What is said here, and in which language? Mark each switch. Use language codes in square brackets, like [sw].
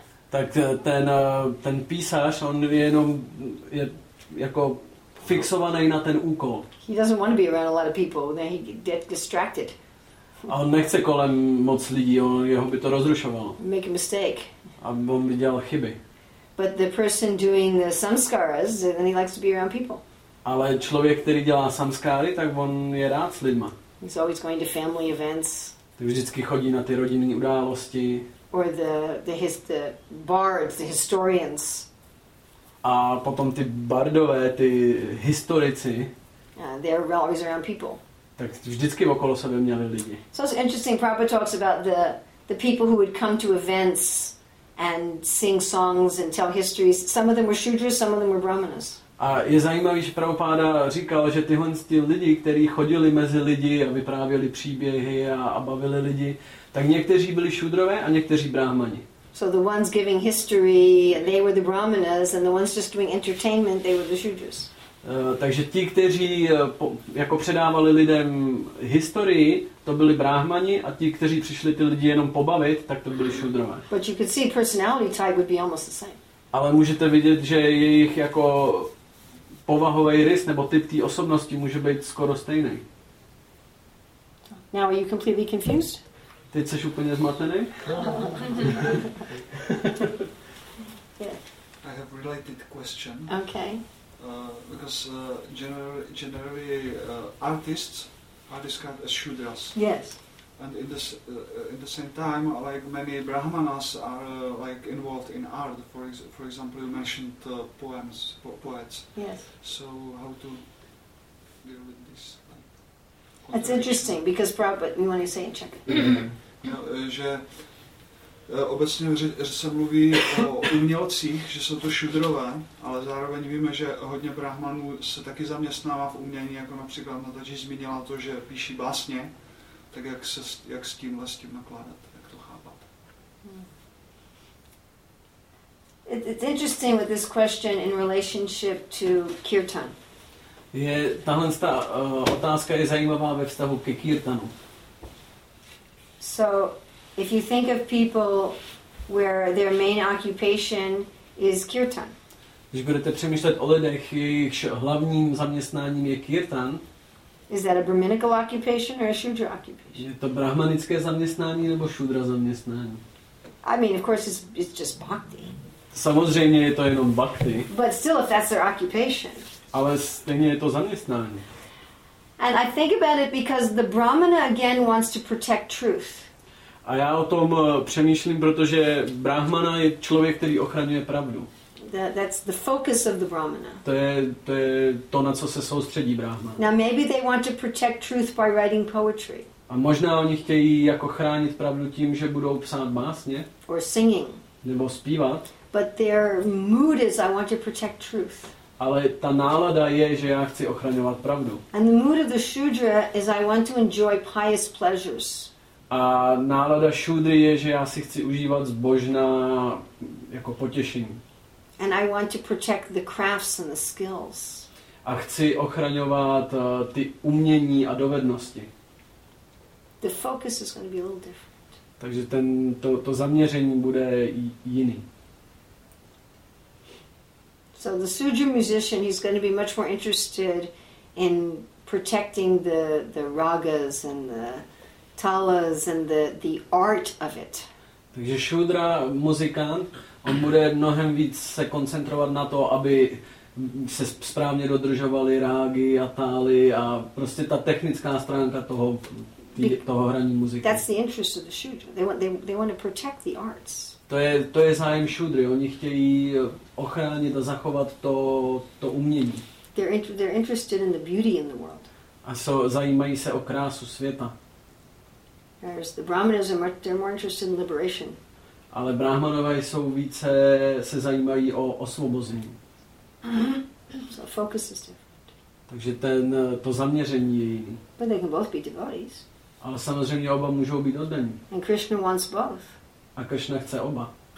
[cs] Tak ten písař, on je jenom je jako fixovaný na ten úkol. [en] He doesn't want to be around a lot of people, then he get distracted. [cs] A on nechce kolem moc lidí, jeho by to rozrušovalo. [en] Make a mistake. [cs] A on by dělal chyby. [en] But the person doing the samskaras, then he likes to be around people. [cs] Ale člověk, který dělá samskáry, tak on je rád s lidma. [en] He's always going to family events. [cs] Ty vždycky chodí na ty rodinné události. [en] Or the bards, the historians. [cs] A potom ty bardové, ty historici. [en] They're always around people. [cs] Tak vždycky okolo sebe měli lidi. [en] So it's interesting, Prabhupada talks about the people who would come to events and sing songs and tell histories. Some of them were shudras, some of them were brahmanas. [cs] A je zajímavý, že Prabhupada říkal, že tyhle ty lidi, kteří chodili mezi lidi a vyprávěli příběhy a bavili lidi, tak někteří byli šudrové a někteří brahmani. [en] So the ones giving history, they were the brahmanas, and the ones just doing entertainment, they were the shudras. [cs] Takže ti, kteří jako předávali lidem historii, to byli brahmani, a ti, kteří přišli ty lidi jenom pobavit, tak to byli šudrové. [en] But you could see personality type would be almost the same. [cs] Ale můžete vidět, že jejich jako povahový rys nebo typ té osobnosti může být skoro stejný. [en] Now are you completely confused? [cs] Teď jsi úplně zmatený? [en] I have related question. Okay. Because generally artists are described as shudras. Yes. And in the same time, like many brahmanas are like involved in art. For example, you mentioned poems, poets. Yes. So how to deal with this. That's interesting because Prabhupada, you want to say in Czech. [cs] Obecně se mluví o umělcích, že jsou to šudrové, ale zároveň víme, že hodně brahmanů se taky zaměstnává v umění, jako například Nataji zmínila to, že píší básně, tak jak se jak s tímhle s tím nakládat, jak to chápat. [en] It's interesting with this question in relationship to kirtan. [cs] Je tahle otázka je zajímavá ve vztahu ke kirtanu. [en] So if you think of people where their main occupation is kirtan. [cs] Když budete přemýšlet o lidech, jejichž hlavním zaměstnáním je kirtan. [en] Is that a brahminical occupation or a shudra occupation? [cs] Je to brahmanické zaměstnání nebo šudra zaměstnání? [en] I mean, of course it's just bhakti. [cs] Samozřejmě je to jenom bhakti. [en] But still if that's their occupation. [cs] Ale stejně je to zaměstnání. [en] And I think about it because the brahmana again wants to protect truth. [cs] A já o tom přemýšlím, protože brahmana je člověk, který ochraňuje pravdu. [en] That's the focus of the brahmana. [cs] To je to, na co se soustředí brahmana. [en] Now maybe they want to protect truth by writing poetry. [cs] A možná oni chtějí jako chránit pravdu tím, že budou psát básně. [en] Or singing. [cs] Nebo zpívat. [en] But their mood is I want to protect truth. [cs] Ale ta nálada je, že já chci ochraňovat pravdu. [en] And the mood of the shudra is I want to enjoy pious pleasures. [cs] A nálada šudry je, že já si chci užívat zbožná jako potěšení. [en] And I want to protect the crafts and the skills. [cs] A chci ochraňovat ty umění a dovednosti. [en] The focus is going to be a little different. [cs] Takže to zaměření bude jiný. [en] So the shudra musician is going to be much more interested in protecting the ragas and the talas and the art of it. [cs] Takže šudra muzikant, on bude mnohem víc se koncentrovat na to, aby se správně dodržovaly rágy a tály a prostě ta technická stránka toho hraní muziky. [en] That's the interest of the shudra. They want to protect the arts. [cs] To je zájem šudry. Oni chtějí ochránit a zachovat to umění. [en] They're interested in the beauty in the world. [cs] A jsou zajímají se o krásu světa. [en] Whereas the brahmanas are more interested in liberation. [cs] Ale brahmanové jsou více se zajímají o osvobození. [en] So focus is different. [cs] Takže to zaměření je jiný. [en] But they can both be devotees. [cs] Ale samozřejmě oba můžou být oddaní. [en] And Krishna wants both. [cs] A Krishna chce oba.